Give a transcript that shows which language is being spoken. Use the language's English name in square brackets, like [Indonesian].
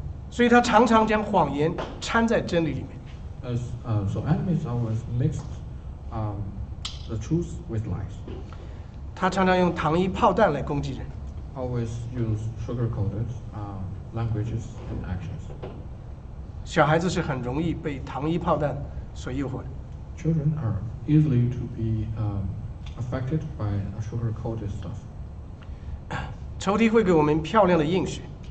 [Chinese] 所以他常常将谎言掺在真理里面。 [English] So enemies always mixed the truth with lies. [Chinese] 他常常用糖衣炮弹来攻击人。 [English] Always use sugar-coated languages and actions. [Chinese] 小孩子是很容易被糖衣炮弹所诱惑的。 [English] Children are easily to be affected by sugar-coated stuff. [Chinese] 仇敌会给我们漂亮的应许。